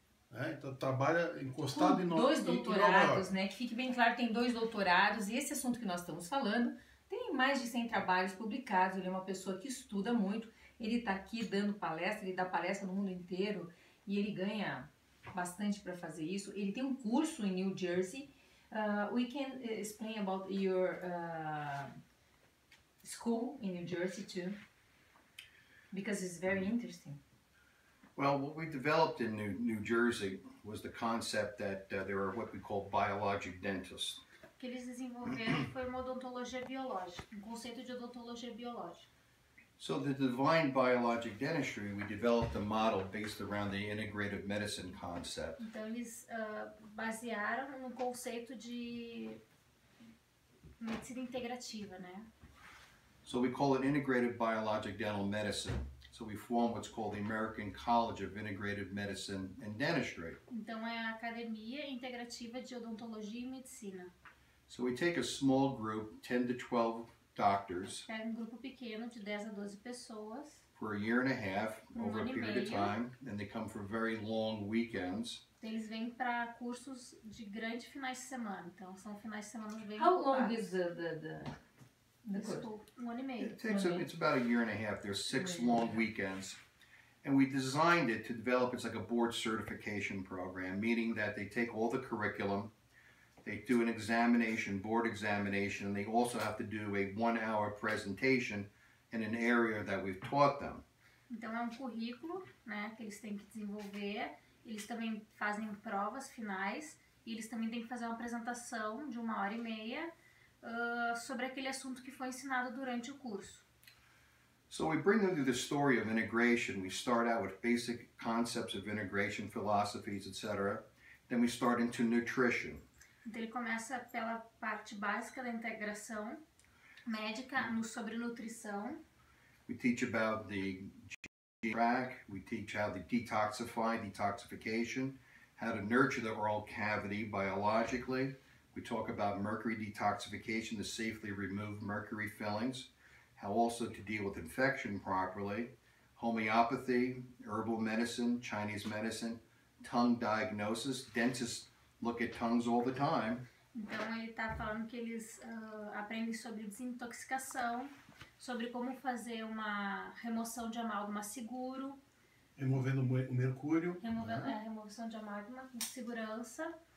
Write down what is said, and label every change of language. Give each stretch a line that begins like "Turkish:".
Portuguese: Né? Então, trabalha encostado com em Nova York. Dois doutorados, né? Que fique bem claro, tem dois doutorados. E esse assunto que nós estamos falando, tem mais de 100 trabalhos publicados. Ele é uma pessoa que estuda muito. Ele está aqui dando palestra, ele dá palestra no mundo inteiro. E ele ganha bastante para fazer isso. Ele tem um curso em New Jersey.
English: We can explain about your school in New Jersey too. Because it's very interesting. Well, what we developed in New Jersey was the concept that there are what we call biologic dentists.
Portuguese: Que eles desenvolveram foi uma odontologia biológica, um conceito de odontologia biológica.
English: So the divine biologic dentistry, we developed a model based around the integrative medicine concept.
Portuguese: Então eles basearam no conceito de medicina integrativa, né?
English: So we call it integrative biologic dental medicine. So we form what's called the American College of Integrative Medicine and Dentistry.
Portuguese: Então é a Academia Integrativa de Odontologia e Medicina.
English: So we take a small group, 10 to 12 doctors.
Portuguese: É um grupo pequeno de 10 a 12 pessoas.
English: For a year and a half, over um a period of time, and they come for very long weekends.
Portuguese: Eles vêm para cursos de grandes finais de semana. Então são finais de semana bem
English: How long is the
Portuguese: Um ano e meio.
English: It's about a year and a half. There's six long weekends. And we designed it to develop, it's like a board certification program, meaning that they take all the curriculum, they do an examination, board examination, and they also have to do a one-hour presentation in an area that we've taught them.
Portuguese: Então é um currículo, né, que eles têm que desenvolver. Eles também fazem provas finais e eles também têm que fazer uma apresentação de uma hora e meia sobre aquele assunto que foi ensinado durante o curso.
English: So we bring them to the story of integration. We start out with basic concepts of integration, philosophies, etc. Then we start into nutrition.
Portuguese: Então ele começa pela parte básica da integração médica, no sobre nutrição.
English: We teach about the GI tract. We teach how to detoxify, detoxification, how to nurture the oral cavity biologically. We talk about mercury detoxification to safely remove mercury fillings, how also to deal with infection properly, homeopathy, herbal medicine, Chinese medicine, tongue diagnosis. Dentists look at tongues all the time.
Portuguese: Então ele está falando que eles aprendem sobre desintoxicação, sobre como fazer uma remoção de amálgama seguro. Removendo o mercúrio. Removendo, né? Remoção de amálgama com segurança.